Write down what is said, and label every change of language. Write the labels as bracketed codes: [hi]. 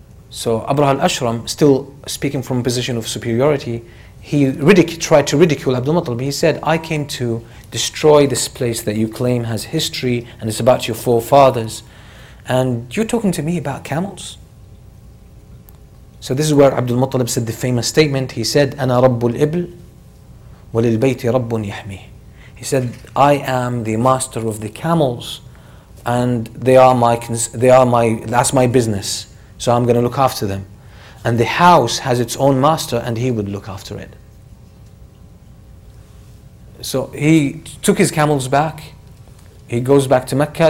[en] So Abraha al-Ashram, still speaking from a position of superiority, he tried to ridicule Abdul Muttalib. He said, I came to destroy this place that you claim has history and it's about your forefathers, and you're talking to me about camels? So this is where Abdul Muttalib said the famous statement. He said, [ar] أَنَا رَبُّ الْإِبْلِ وَلِلْبَيْتِ رَبٌّ يَحْمِيهِ. [en] He said, I am the master of the camels, and they are my that's my business, so I'm going to look after them. And the house has its own master, and he would look after it. So he took his camels back. He goes back to Mecca.